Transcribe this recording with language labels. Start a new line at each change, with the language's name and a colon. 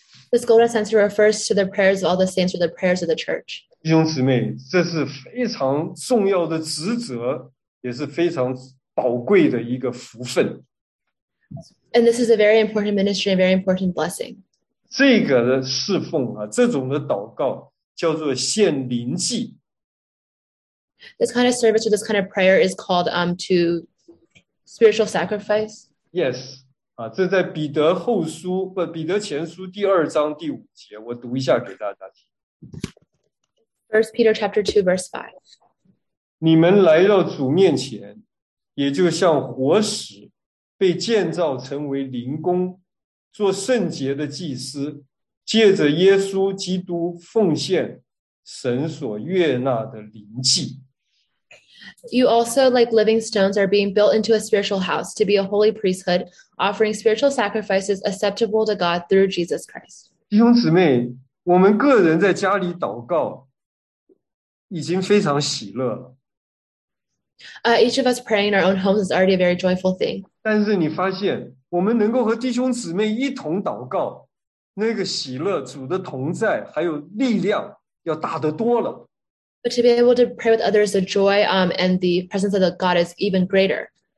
English: This golden censer refers to the prayers of all the saints or the prayers of the church.
Chinese: 弟兄姊妹, 这是非常重要的职责, 也是非常宝贵的一个福分。
English: And this is a very important ministry, a very important blessing.
Chinese: 这个的侍奉啊, 这种的祷告, 叫做献灵祭。
English: This kind of service or this kind of prayer is called to spiritual sacrifice. Yes.
Chinese: 啊, 这在彼得后书, 不, 彼得前书第2章第5节, 我读一下给大家听。
English: First Peter chapter 2, verse 5.
Chinese: 你们来到主面前, 也就像活石, 被建造成为灵宫, 做圣洁的祭司, 借着耶稣基督奉献, 神所悦纳的灵祭。
English: You also, like living stones, are being built into a spiritual house to be a holy priesthood, offering spiritual sacrifices acceptable to God through Jesus Christ.
Chinese: 弟兄姊妹, 我们个人在家里祷告, 已经非常喜乐了。
English: Each of us praying in our own homes is already a very joyful thing.
Chinese: 但是你发现, 我们能够和弟兄姊妹一同祷告, 那个喜乐, 主的同在, 还有力量, 要大得多了。
English: But to be able to pray with others, the joy and the presence of the God is even greater.